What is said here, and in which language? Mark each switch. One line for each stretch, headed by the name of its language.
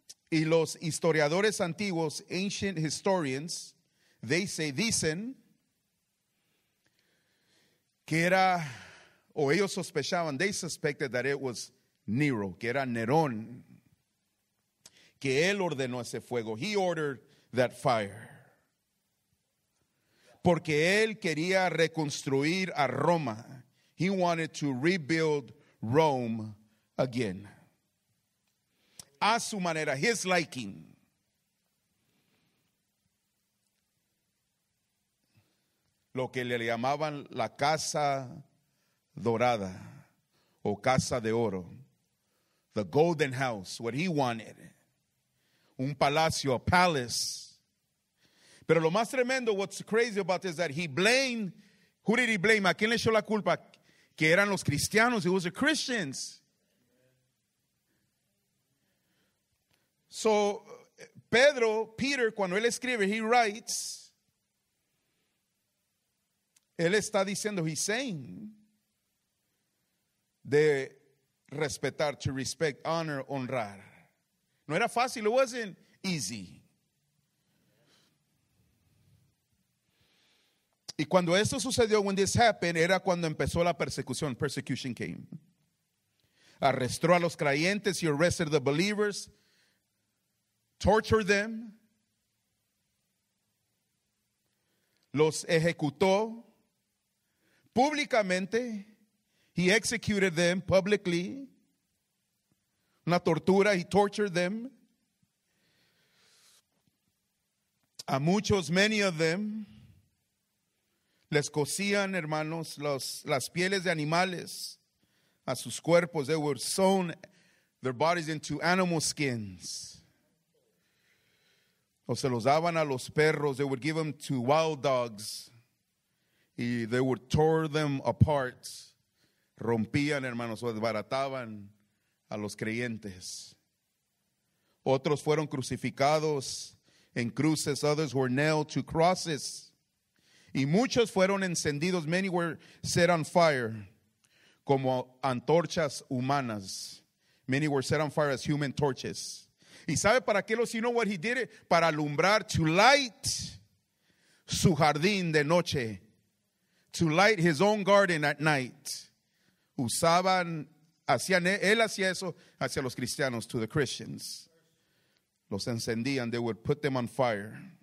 Spanish: Y los historiadores antiguos,
English: ancient historians, they say,
Spanish: dicen que era, o ellos sospechaban,
English: they suspected that it was Nero,
Spanish: que era Nerón, que él ordenó ese fuego.
English: He ordered that fire.
Spanish: Porque él quería reconstruir a Roma.
English: He wanted to rebuild Rome again.
Spanish: A su manera,
English: his liking.
Spanish: Lo que le llamaban la casa dorada o casa de oro.
English: The golden house, what he wanted.
Spanish: Un palacio,
English: a palace.
Spanish: Pero lo más tremendo,
English: what's crazy about this, that he blamed, who did he blame?
Spanish: ¿A quién le echó la culpa? Que eran los cristianos,
English: it was the Christians.
Spanish: So, Peter, cuando él escribe,
English: he writes,
Spanish: él está diciendo,
English: he's saying,
Spanish: de respetar,
English: to respect, honor,
Spanish: honrar. No era fácil,
English: it wasn't easy.
Spanish: Y cuando esto sucedió,
English: when this happened,
Spanish: era cuando empezó la persecución.
English: Persecution came.
Spanish: Arrestó a los creyentes,
English: he arrested the believers, tortured them,
Spanish: los ejecutó públicamente,
English: he executed them publicly,
Spanish: una tortura,
English: he tortured them,
Spanish: a muchos,
English: many of them,
Spanish: les cosían, hermanos, las pieles de animales a sus cuerpos.
English: They were sewn their bodies into animal skins.
Spanish: O se los daban a los perros.
English: They would give them to wild dogs. Y they would tore them apart.
Spanish: Rompían, hermanos, o desbarataban a los creyentes. Otros fueron crucificados en cruces.
English: Others were nailed to crosses.
Spanish: Y muchos fueron encendidos,
English: many were set on fire,
Spanish: como antorchas humanas.
English: Many were set on fire as human torches.
Spanish: ¿Y sabe para qué los,
English: you know what he did?
Spanish: Para alumbrar,
English: to light
Spanish: su jardín de noche.
English: To light his own garden at night.
Spanish: Él hacía eso hacia los cristianos,
English: to the Christians.
Spanish: Los encendían,
English: they would put them on fire.